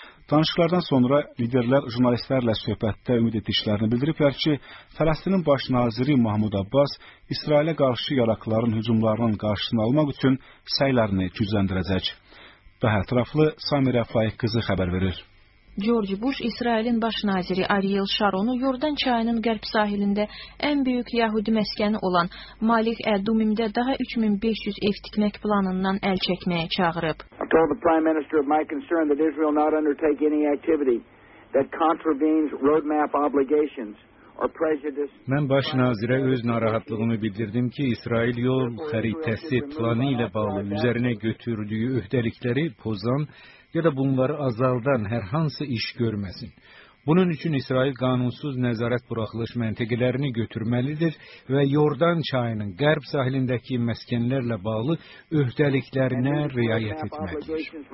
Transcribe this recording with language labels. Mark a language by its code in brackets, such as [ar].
[az] Danışıqlardan sonra liderlər jurnalistlərlə söhbətdə ümid etdiklərini bildiriblər ki, Fələstinin baş naziri Mahmud Abbas İsrailə qarşı yaraqların hücumlarının qarşısını almaq üçün səylərini gücləndirəcək. Daha ətraflı Samirə Faiq qızı xəbər verir. George Bush İsrailin baş naziri Ariel Sharonu Yordan çayının qərb sahilində ən böyük Yahudi məskəni olan Malik Ədumimdə daha 3500 ev tikmək planından əl çəkməyə çağırıb. [en] I told the Prime Minister of my concern that Israel not undertake any activity that contravenes roadmap obligations. [az] Mən baş nazirə öz narahatlığımı bildirdim ki, İsrail yol xəritəsi planı ilə bağlı üzərinə götürdüyü öhdəlikləri pozan ya da bunları azaldan hər hansı iş görməsin. Bunun üçün İsrail qanunsuz nəzarət buraxılış məntəqələrini götürməlidir və Yordan çayının qərb sahilindəki məskənlərlə bağlı öhdəliklərinə riayət etməlidir.